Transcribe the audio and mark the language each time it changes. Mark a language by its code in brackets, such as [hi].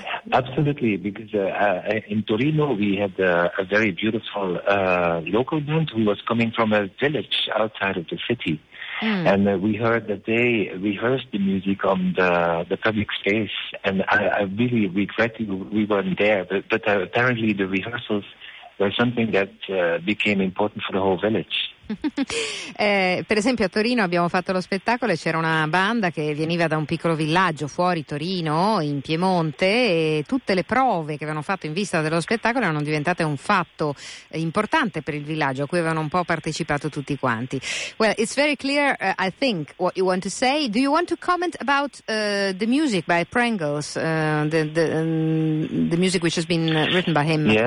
[en] Absolutely, because in Torino we had a very beautiful local band who was coming from a village outside of the city. Mm. And we heard that they rehearsed the music on the public space, and I really regret we weren't there, but apparently the rehearsals were something that became important for the whole village. [it] Per esempio a Torino abbiamo fatto lo spettacolo e c'era una banda che veniva da un piccolo villaggio fuori Torino in Piemonte, e tutte le prove che avevano fatto in vista dello spettacolo erano diventate un fatto importante per il villaggio a cui avevano un po' partecipato tutti quanti. [en] Well, it's very clear, I think, what you want to say. Do you want to comment about the music by Prangles, the music which has been written by him?